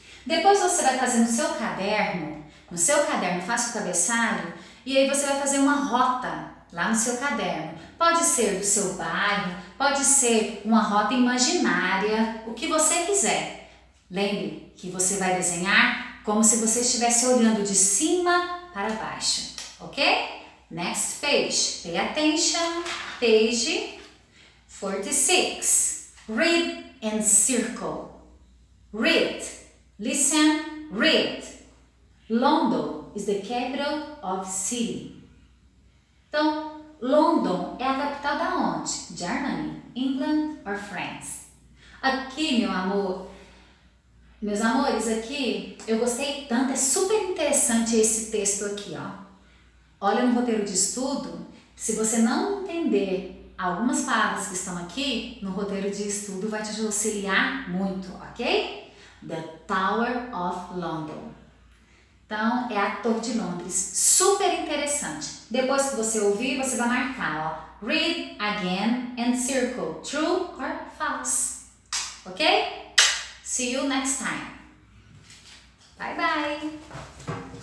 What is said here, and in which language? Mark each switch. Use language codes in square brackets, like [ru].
[pt] Depois você vai fazer no seu caderno, faça o cabeçalho, e aí você vai fazer uma rota lá no seu caderno. Pode ser do seu bairro, pode ser uma rota imaginária, o que você quiser. Lembre que você vai desenhar como se você estivesse olhando de cima para baixo, ok? [en] Next page, pay attention, page 46, read and circle, read, listen, read. London is the capital of city. [pt] Então, London é a capital da onde? [en] Germany, England or France? [pt] Aqui, meus amores, aqui, eu gostei tanto, é super interessante esse texto aqui, ó. Olha no roteiro de estudo, se você não entender algumas palavras que estão aqui, no roteiro de estudo vai te auxiliar muito, ok? [en] The Tower of London. [pt] Então, é a Torre de Londres. Super interessante. Depois que você ouvir, você vai marcar, ó. [en] Read again and circle. True or false? Ok? See you next time. Bye, bye.